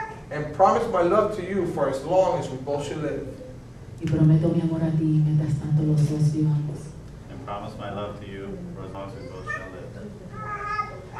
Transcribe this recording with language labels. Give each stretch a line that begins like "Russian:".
English: and promise my love to you for as long as we both should live,
Spanish: y prometo mi amor a ti mientras tanto los dos vivamos,
English: and promise my love to you for as long as we both shall live.